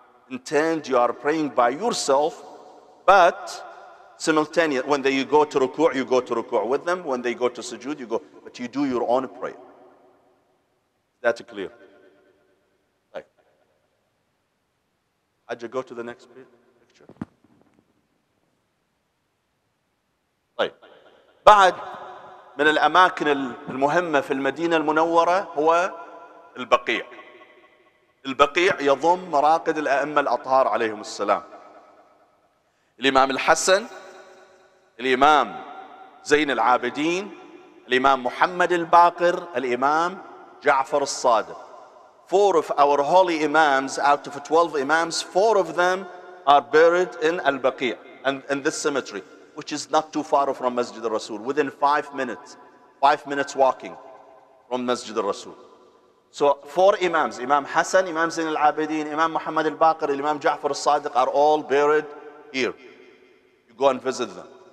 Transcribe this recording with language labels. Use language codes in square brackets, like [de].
[en] Intend you are praying by yourself, but simultaneous. When they go to ruku', you go to ruku' with them. When they go to sujood, you go. But you do your own prayer. That's clear. Hajj, go to the next picture. [ar] طيب بعد من الأماكن المهمة في المدينة المنورة هو البقيع. البقيع يضم مراقد الأئمة الأطهار عليهم السلام. الإمام الحسن، الإمام زين العابدين، الإمام محمد الباقر، الإمام جعفر الصادق. [en] Four of our holy imams, out of 12 imams, four of them are buried in Al-Baqi' and in this cemetery, which is not too far from Masjid al-Rasul, within 5 minutes, 5 minutes walking from Masjid al-Rasul. So four imams, Imam Hassan, Imam Zain al-Abidin, Imam Muhammad al-Baqir, Imam Ja'far al-Sadiq are all buried here. You go and visit them.